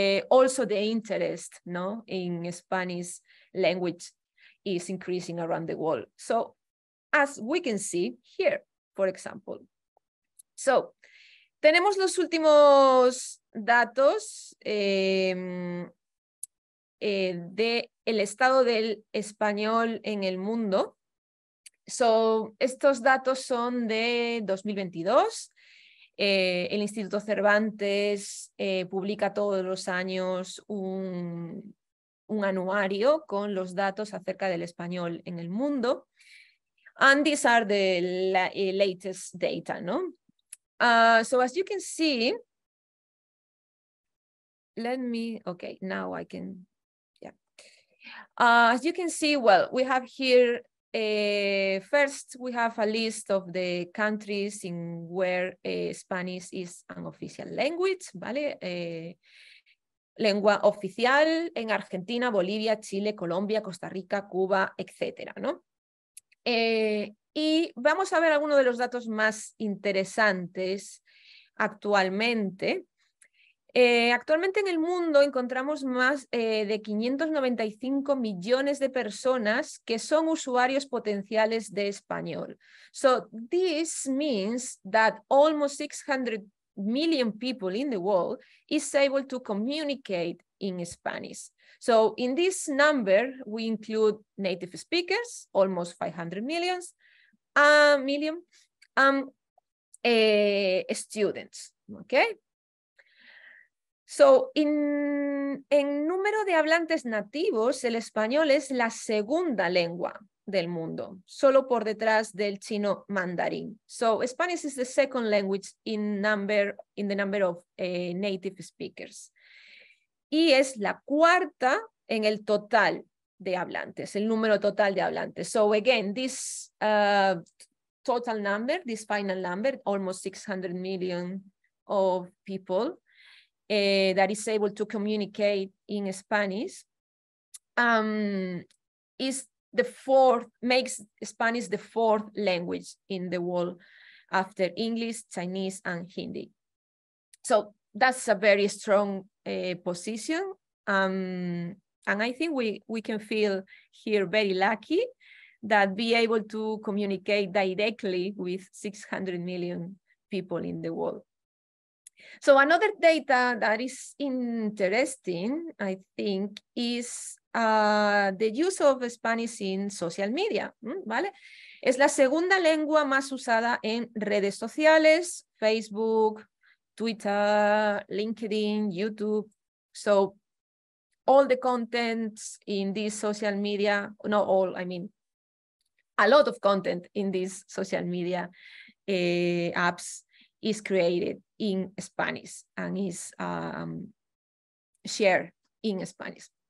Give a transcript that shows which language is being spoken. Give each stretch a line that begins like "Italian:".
English: Also the interest, no, in Spanish language is increasing around the world. So as we can see here, for example.
Spanish: So tenemos los últimos datos de el estado del español en el mundo. So estos datos son de 2022. El Instituto Cervantes publica todos los años un anuario con los datos acerca del español en el mundo.
English: And these are the latest data, ¿no? So as you can see, as you can see, well, we have here, first, we have a list of the countries in where Spanish is an official language, ¿vale?
Spanish: Lengua oficial en Argentina, Bolivia, Chile, Colombia, Costa Rica, Cuba, etcétera, ¿no? Y vamos a ver algunos de los datos más interesantes actualmente. Actualmente en el mundo encontramos más de 595 millones de personas que son usuarios potenciales de español.
English: So this means that almost 600 million people in the world is able to communicate in Spanish. So in this number, we include native speakers, almost 500 million, students, okay?
Spanish: So, en número de hablantes nativos, el español es la segunda lengua del mundo, solo por detrás del chino mandarín.
English: So, Spanish is the second language in the number of native speakers.
Spanish: Y es la cuarta en el total de hablantes, el número total de hablantes.
English: So, again, this total number, this final number, almost 600 million of people, that is able to communicate in Spanish, is the fourth, makes Spanish the fourth language in the world after English, Chinese, and Hindi. So that's a very strong position. And I think we can feel here very lucky that be able to communicate directly with 600 million people in the world. So another data that is interesting, I think, is the use of Spanish in social media, ¿vale?
Spanish: Es la segunda lengua más usada en redes sociales, Facebook, Twitter, LinkedIn, YouTube.
English: So all the contents in this social media, not all, I mean, a lot of content in these social media apps is created in Spanish and is shared in Spanish.